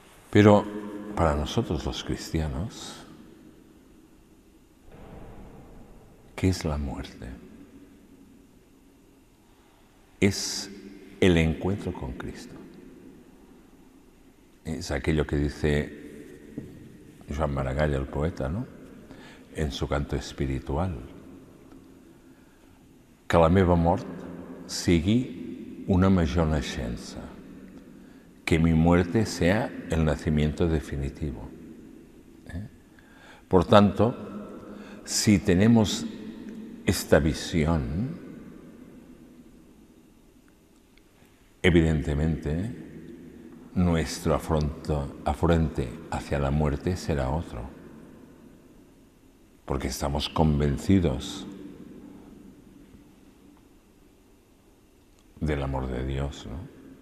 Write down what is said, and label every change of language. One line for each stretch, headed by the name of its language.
Spanish: Pero para nosotros los cristianos, ¿qué es la muerte? Es el encuentro con Cristo. Es aquello que dice Joan Maragall, el poeta, ¿no? En su canto espiritual.
Catalan: Que la meva mort sigui una major naixença.
Spanish: Que mi muerte sea el nacimiento definitivo. ¿Eh? Por tanto, si tenemos esta visión, evidentemente nuestro afronte hacia la muerte será otro, porque estamos convencidos del amor de Dios, ¿no?